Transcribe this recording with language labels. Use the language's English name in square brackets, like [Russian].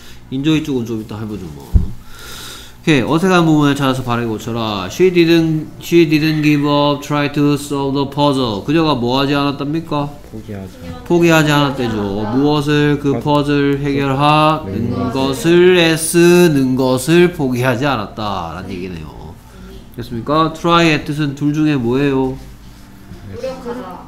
[Korean] 인조이 쪽은 좀 이따 해보죠 뭐. 오케이, 어색한 부분을 찾아서 바르게 고쳐라. [English] She didn't give up try to solve the puzzle. [Korean] 그녀가 뭐 하지 않았답니까? 포기하지 않았대죠. 무엇을 그 퍼즐 해결하는 것을 애쓰는 것을 포기하지 않았다라는 네. 얘기네요. 됐습니까? try의 뜻은 둘 중에 뭐예요? 노력하다.